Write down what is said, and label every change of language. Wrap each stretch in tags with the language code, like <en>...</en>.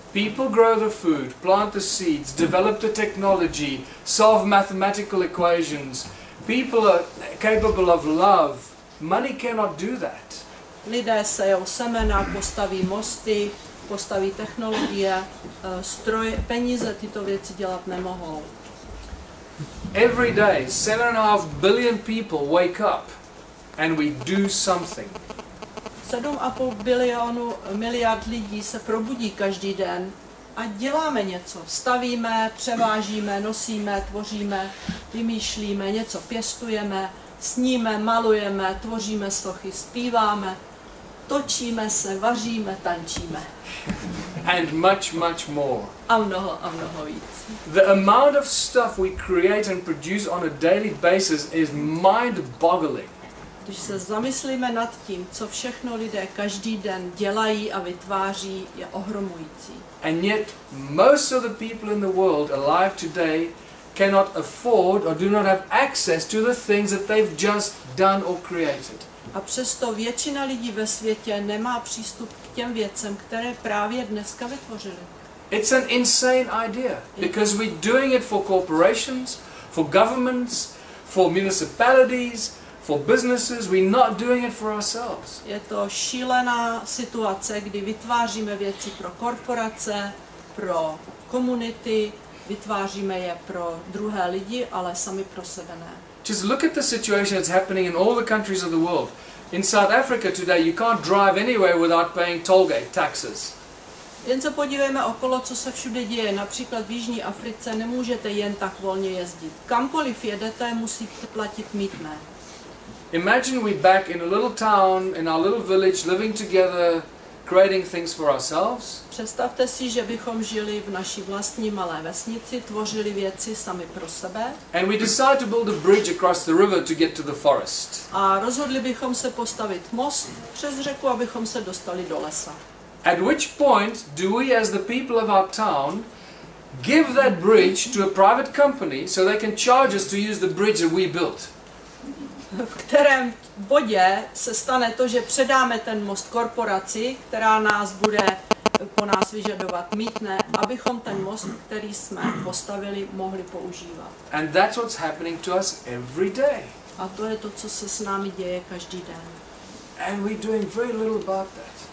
<en>People grow the food, plant the seeds, develop the technology, solve mathematical equations. People are capable of love. Money cannot do that.</en> <cs>Lidé sejou semena, postaví mosty, postaví technologie, stroje, peníze tyto věci dělat nemohou.</cs> <en>Every day, 7.5 billion people wake up and we do something.</en> <cs>7.5 miliardy lidí se probudí každý den a děláme něco. Stavíme, převážíme, nosíme, tvoříme, vymýšlíme, něco pěstujeme, sníme, malujeme, tvoříme sochy, zpíváme, točíme se, vaříme, tančíme.</cs> <en>And much, much more.</en> <cs>A mnoho víc.</cs> <en>The amount of stuff we create and produce on a daily basis is mind-boggling.</en> <cs>Když se zamyslíme nad tím, co všechno lidé každý den dělají a vytváří, je ohromující.</cs> <en>And yet most of the people in the world alive today cannot afford or do not have access to the things that they've just done or created.</en> <cs>A přesto většina lidí ve světě nemá přístup k těm věcem, které právě dneska vytvořili.</cs> <en>It's an insane idea because we're doing it for corporations, for governments, for municipalities, for businesses. We're not doing it for ourselves.</en> <cs>Je to šílená situace, kdy vytváříme věci pro korporace, pro komunity, vytváříme je pro druhé lidi, ale sami pro sebe ne.</cs> <en>Just look at the situation that's happening in all the countries of the world. In South Africa today, you can't drive anywhere without paying tollgate taxes.</en> <cs>Jen se podívejme okolo, co se všude děje. Například v Jižní Africe nemůžete jen tak volně jezdit. Kamkoliv jedete, musíte platit mýtné.</cs> <en>Imagine we're back in a little town, in our little village, living together, creating things for ourselves.</en> <cs>Představte si, že bychom žili v naší vlastní malé vesnici, tvořili věci sami pro sebe.</cs> <en>And we decide to build a bridge across the river to get to the forest.</en> <cs>A rozhodli bychom se postavit most přes řeku, abychom se dostali do lesa.</cs> <en>At which point do we as the people of our town give that bridge to a private company so they can charge us to use the bridge that we built?</en> <cs>V kterém bodě se stane to, že předáme ten most korporaci, která nás bude po nás vyžadovat mýtné, abychom ten most, který jsme postavili, mohli používat.</cs> <en>And that's what's happening to us every day.</en> <cs>A to je to, co se s námi děje každý den.</cs> <en>And we're doing very little about that.</en>